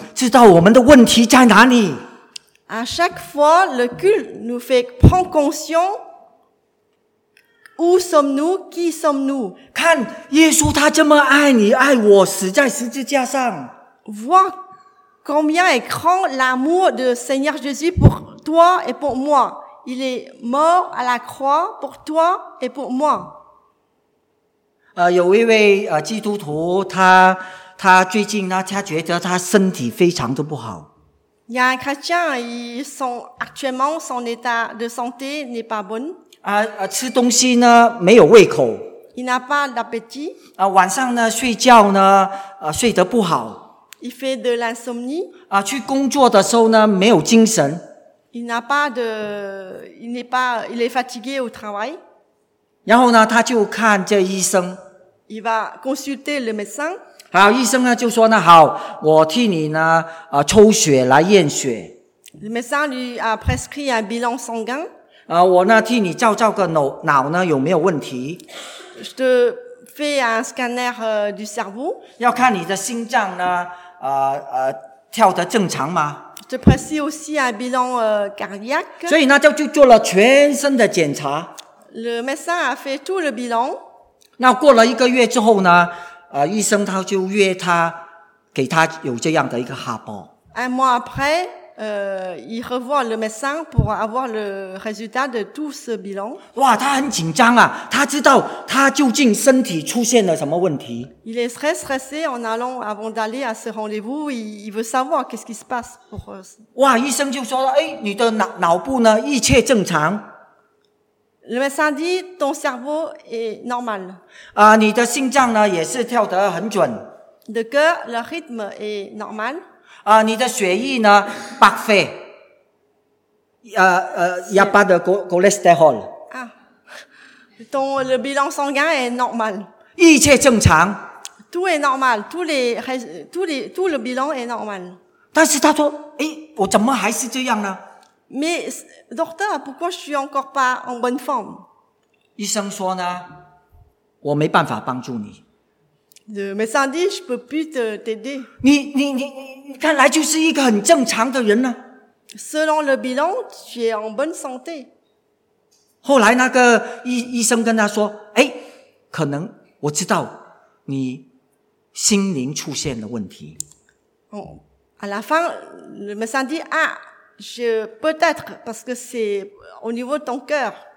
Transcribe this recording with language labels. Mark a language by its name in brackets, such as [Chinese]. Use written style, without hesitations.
[French] À chaque fois, le culte nous fait prendre conscience où sommes-nous, qui sommes-nous. [Chinese] 看耶稣他这么爱你爱我死在十字架上。 [French] Vois combien est grand l'amour de Seigneur Jésus pour toi et pour moi. Il est mort à la croix pour toi et pour moi. [Chinese] 有一位基督徒，他最近呢，他觉得他身体非常的不好。 [French] Il y a un chrétien, actuellement son état de santé n'est pas bon. [Chinese] 吃东西呢没有胃口。 [French] Il n'a pas d'appétit. [Chinese] 晚上呢睡觉呢睡得不好。 [French] Il fait de l'insomnie. [Chinese] 去工作的时候呢没有精神。 [French] Il est fatigué au travail. [Chinese] 然后呢他就看这医生。 [French] Il va consulter le médecin. [Chinese] 好，医生呢就说呢，好，我替你呢抽血来验血。 [French] Le médecin lui a prescrit un bilan sanguin. [Chinese] 我呢替你照个脑呢有没有问题。 [French] Fais un scanner du cerveau. [Chinese] 要看你的心脏呢跳得正常吗？ [French] Je précise aussi un bilan cardiaque. [Chinese] 所以呢就做了全身的检查。 [French] Le médecin a fait tout le bilan. [Chinese] 那过了一个月之后呢医生他就约他给他有这样的一个哈报。 [French] Un mois après, il revoit le médecin pour avoir le résultat de tout ce bilan. [Chinese] 哇，他很紧张啊！他知道他究竟身体出现了什么问题。 [French] Il est très stressé en allant avant d'aller à ce rendez-vous. Il veut savoir qu'est-ce qui se passe pour. [Chinese] 哇，医生就说：“哎，你的脑部呢，一切正常。 [French] ”Le médecin dit ton cerveau est normal. [Chinese] 你的心脏呢也是跳得很准。 [French] Le cœur, le rythme est normal. [Chinese] 你的血液呢白费。 [French] y a pas de cholesterol. Le bilan sanguin est normal. [Chinese] 一切正常。 [French] Tout est normal. Tout le bilan est normal. [Chinese] 但是他说诶我怎么还是这样呢 [French] Mais, docteur, pourquoi je suis encore pas en bonne forme? [Chinese] 医生说呢我没办法帮助你。 [French] Le médecin dit, je peux plus t'aider. [Chinese] 你看来就是一个很正常的人呢。 [French] Selon le bilan, tu es en bonne santé. [Chinese] 后来那个医生跟他说，哎，可能我知道你心灵出现了问题。 [French] À la fin, le médecin dit, ah, je peut-être, parce que c'est au niveau de ton cœur.